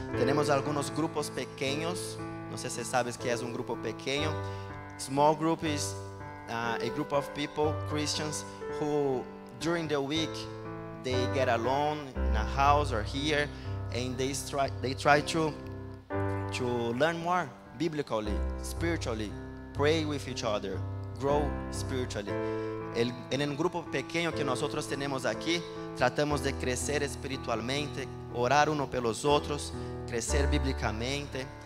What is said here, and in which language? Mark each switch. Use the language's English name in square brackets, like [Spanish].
[Spanish] Tenemos algunos grupos pequeños. [Portuguese] Não sei se sabes que é um grupo pequeno. [English] Small group is a group of people, Christians, who during the week they get alone in a house or here, and they try to learn more biblically, spiritually, pray with each other, grow spiritually. [Spanish] En el grupo pequeño que nosotros tenemos aquí, tratamos de crecer espiritualmente, orar uno pelos otros, crecer bíblicamente.